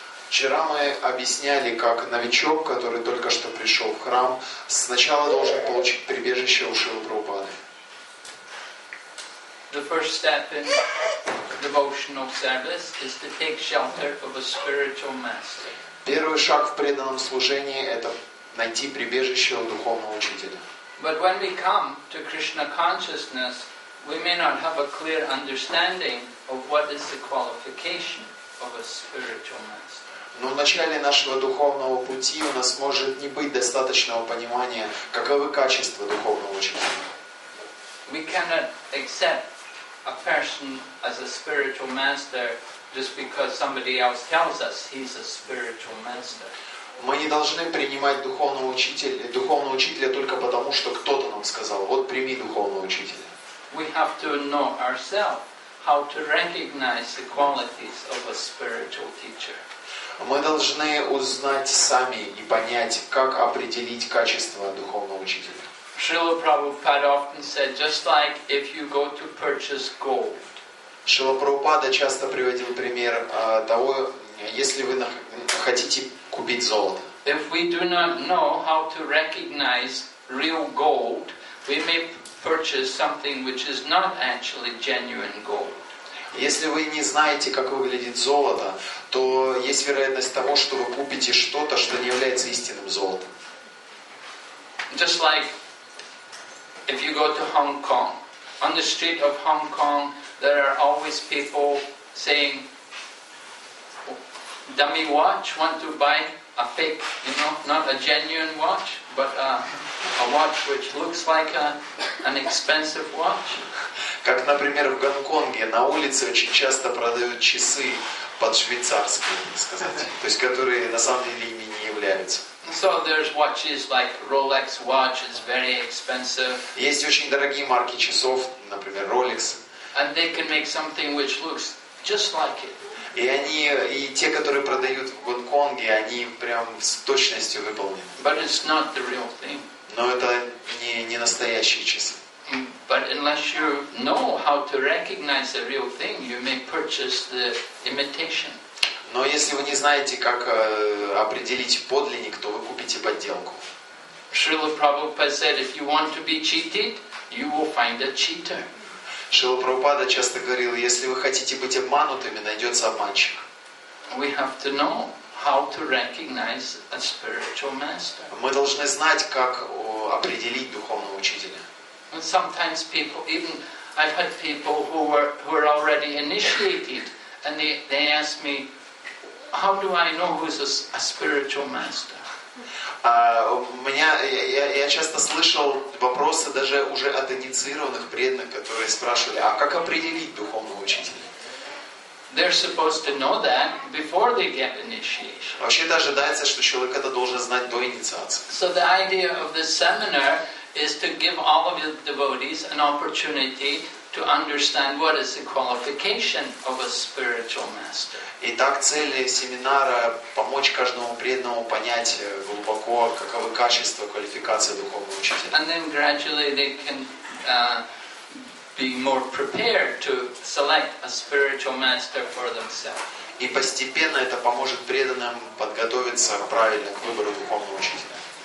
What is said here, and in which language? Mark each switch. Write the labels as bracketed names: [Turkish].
[Russian] Вчера мы объясняли, как новичок, который только что пришел в храм, сначала должен получить прибежище у Шрилы Прабхупады. [English] The first step in devotional service is to take shelter of a spiritual master. [Russian] Первый шаг в преданном служении – это найти прибежище у духовного учителя. [English] But when we come to Krishna consciousness, we may not have a clear understanding of what is the qualification of a spiritual master. [Russian] Но в начале нашего духовного пути у нас может не быть достаточного понимания, каковы качества духовного учителя. [English] We cannot accept a person as a spiritual master just because somebody else tells us he's a spiritual master. [Russian] Мы не должны принимать духовного учителя только потому, что кто-то нам сказал: вот прими духовного учителя. [English] We have to know ourselves how to recognize the qualities of a spiritual teacher. [Russian] Мы должны узнать сами и понять, как определить качество духовного учителя. [English] Srila Prabhupada often said, just like if you go to purchase gold. [Russian] Шрила Прабхупада часто приводил пример того, если вы хотите купить золото. [English] If we do not know how to recognize real gold, we may purchase something which is not actually genuine gold. [Russian] Если вы не знаете, как выглядит золото, то есть вероятность того, что вы купите что-то, что не является истинным золотом. [English] Just like if you go to Hong Kong, on the street of Hong Kong, there are always people saying, dummy watch, want to buy a fake, you know, not a genuine watch, but a watch which looks like an expensive watch. [Russian] Как, например, в Гонконге на улице очень часто продают часы под швейцарские, можно сказать, то есть которые на самом деле ими не являются. [English] So there's watches like Rolex watch, it's very expensive. [Russian] Есть очень дорогие марки часов, например, Rolex. [English] And they can make something which looks just like it. [Russian] И те, которые продают в Гонконге, они прям с точностью выполнены. [English] But it's not the real thing. [Russian] Но это не настоящие часы. [English] But unless you know how to recognize the real thing, you may purchase the imitation. [Russian] Но если вы не знаете, как определить подлинник, то вы купите подделку. [English] Srila Prabhupada said, if you want to be cheated, you will find a cheater. [Russian] Шрила Прабхупада часто говорил, если вы хотите быть обманутыми, найдется обманщик. [English] We have to know how to recognize a spiritual master. [Russian] Мы должны знать, как определить духовного учителя. [English] And sometimes people, even I've had people who were already initiated, and they ask me, how do I know who's a spiritual master? [Russian] Я часто слышал вопросы даже уже от инициированных преданных, которые спрашивали, а как определить духовного учителя? [English] They're supposed to know that before they get initiation. [Russian] Вообще-то ожидается, что человек это должен знать до инициации. [English] So the idea of this seminar is to give all of the devotees an opportunity to understand what is the qualification of a spiritual master. [Russian] Итак, цель семинара – помочь каждому преданному понять глубоко, каковы качества, квалификации духовного учителя. [English] And then gradually they can be more prepared to select a spiritual master for themselves. [Russian] И постепенно это поможет преданным подготовиться правильно к выбору духовного учителя.